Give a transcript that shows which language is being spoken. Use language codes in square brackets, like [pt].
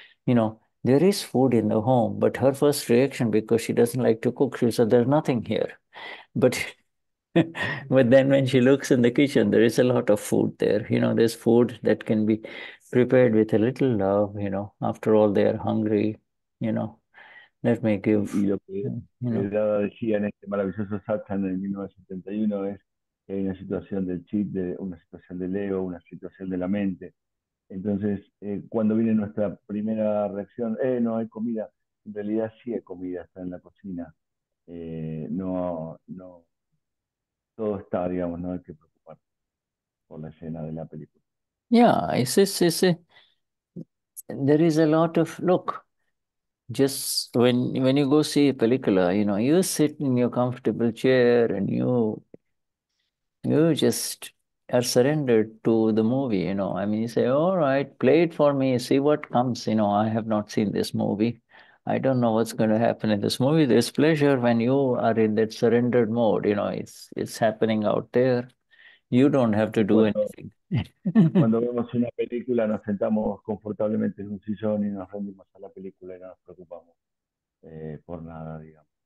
[en] You know, there is food in the home, but her first reaction, because she doesn't like to cook, she said, there's nothing here. But but then when she looks in the kitchen, there is a lot of food there. You know, there's food that can be prepared with a little love, you know. After all, they are hungry, you know. Let me give, [es] y lo que Dada decía en este maravilloso satsang en 1971 es que hay una situación del chit, de una situación del ego, una situación de la mente. Entonces, cuando viene nuestra primera reacción, no hay comida, en realidad sí hay comida, está en la cocina. No, todo está, digamos, no hay que preocuparse por la escena de la película. [en] Yeah, I see. There is a lot of, look. Just when you go see a película, you know, you sit in your comfortable chair and you just are surrendered to the movie, you know. I mean, you say, all right, play it for me, see what comes. You know, I have not seen this movie. I don't know what's going to happen in this movie. There's pleasure when you are in that surrendered mode. You know, it's happening out there. You don't have to do anything. [es] Cuando vemos una película, nos sentamos confortablemente en un sillón y nos rendimos a la película y no nos preocupamos por nada, digamos.